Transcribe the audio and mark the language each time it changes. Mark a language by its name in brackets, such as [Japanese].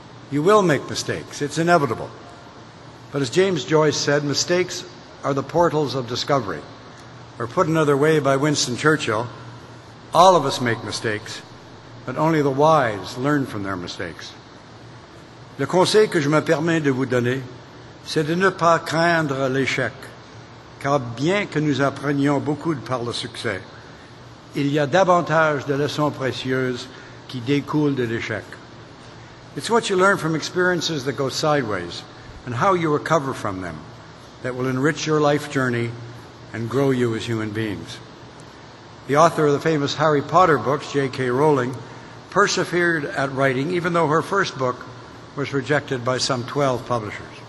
[English] You will make mistakes. It's inevitable. But as James Joyce said, mistakes are the portals of discovery. Or put another way by Winston Churchill, all of us make mistakes, but only the wise learn from their mistakes. [French] Le conseil que je me permets de vous donner, c'est de ne pas craindre l'échec. Car bien que nous apprenions beaucoup par le succès, il y a davantage de leçons précieuses qui découlent de l'échec. [English] It's what you learn from experiences that go sideways and how you recover from them that will enrich your life journey and grow you as human beings. The author of the famous Harry Potter books, J.K. Rowling, persevered at writing even though her first book was rejected by some 12 publishers.